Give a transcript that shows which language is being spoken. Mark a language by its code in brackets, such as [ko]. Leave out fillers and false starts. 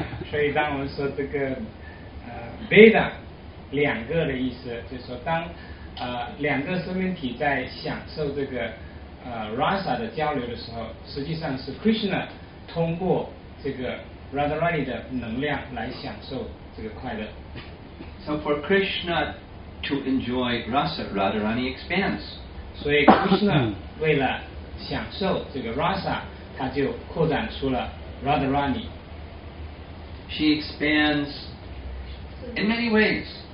[zh] 所以当我们说这个Veda, 两个的意思，就是说当两个生命体在享受这个rasa 的交流的时候，实际上是 Krishna 通过这个 Radharani 的能量来享受这个快乐。 [en] So for Krishna to enjoy rasa, Radharani expands. [zh] 所以 Krishna 为了享受这个 rasa, 他就扩展出了 Radharani. [en] She expands in many ways.